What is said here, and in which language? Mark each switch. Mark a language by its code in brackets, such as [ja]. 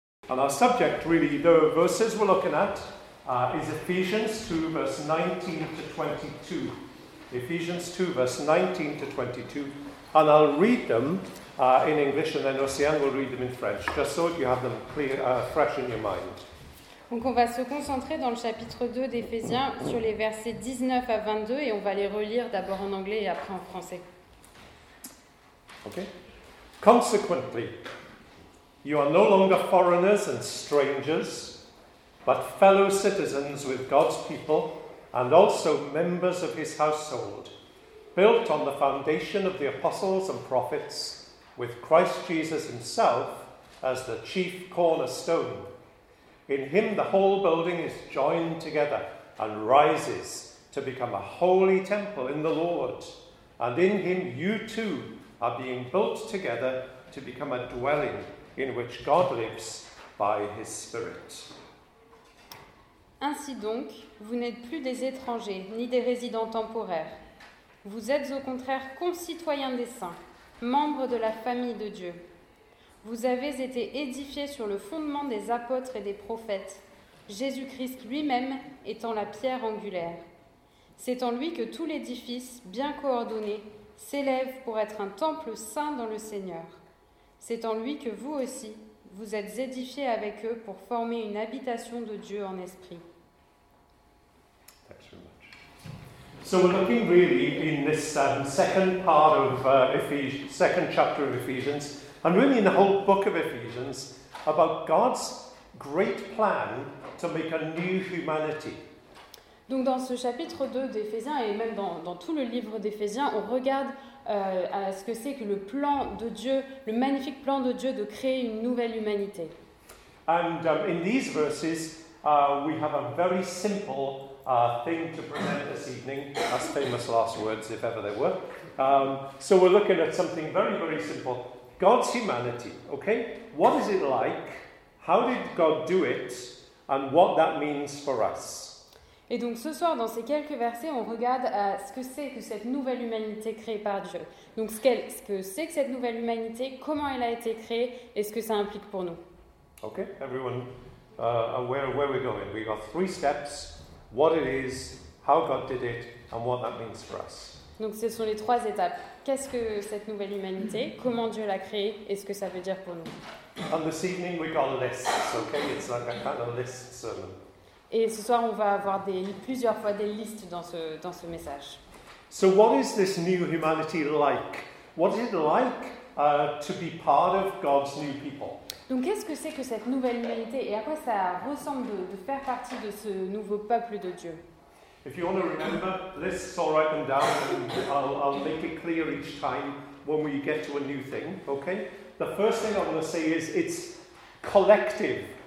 [en] And our subject, really, the verses we're looking at, is Ephesians 2, verse 19 to 22. Ephesians 2, verse 19 to 22. And I'll read them in English, and then Océane will read them in French, just so you have them clear, fresh in your mind. [fr] Donc on va se concentrer dans le chapitre 2 d'Éphésiens sur les versets 19 à 22 et on va les relire d'abord en anglais et après en français. [en] Okay. Consequently, you are no longer foreigners and strangers, but fellow citizens with God's people and also members of his household, built on the foundation of the apostles and prophets, with Christ Jesus himself as the chief cornerstone. In him the whole building is joined together and rises to become a holy temple in the Lord. And in him you too are being built together to become a dwelling in which God lives by his Spirit. [fr] Ainsi donc, vous n'êtes plus des étrangers ni des résidents temporaires. Vous êtes au contraire concitoyens des saints, membres de la famille de Dieu. Vous avez été édifiés sur le fondement des apôtres et des prophètes, Jésus-Christ lui-même étant la pierre angulaire. C'est en lui que tout l'édifice, bien coordonné, s'élève pour être un temple saint dans le Seigneur. C'est en lui que vous aussi, vous êtes édifiés avec eux pour former une habitation de Dieu en esprit. [en] Thanks very much. So we're looking really in this second part of Ephesians, second chapter of Ephesians, and really in the whole book of Ephesians, about God's great plan to make a new humanity. [fr] Donc dans ce chapitre 2 d'Éphésiens, et même dans tout le livre d'Éphésiens, on regarde à ce que c'est que le plan de Dieu, le magnifique plan de Dieu de créer une nouvelle humanité. [en] And in these verses, we have a very simple thing to present this evening, as famous last words, if ever they were. So we're looking at something very, very simple. God's humanity, okay? What is it like? How did God do it? And what that means for us. [fr] Et donc ce soir, dans ces quelques versets, on regarde à ce que c'est que cette nouvelle humanité créée par Dieu. Donc ce que c'est que cette nouvelle humanité, comment elle a été créée et ce que ça implique pour nous. [en] Okay, everyone aware of where we're going. We've got three steps, what it is, how God did it, and what that means for us. [fr] Donc ce sont les trois étapes. Qu'est-ce que cette nouvelle humanité, comment Dieu l'a créée et ce que ça veut dire pour nous. [en] And this evening we've got lists, okay? It's like a kind of list sermon. [fr] Et ce soir, on va avoir plusieurs fois des listes dans ce message. [en] So what is this new humanity like? What is it like to be part of God's new people? [fr] Donc qu'est-ce que c'est que cette nouvelle humanité et à quoi ça ressemble de faire partie de ce nouveau peuple de Dieu? [en] If you want to remember, lists, I'll write them down and I'll make it clear each time when we get to a new thing, okay? The first thing I want to say is it's collective.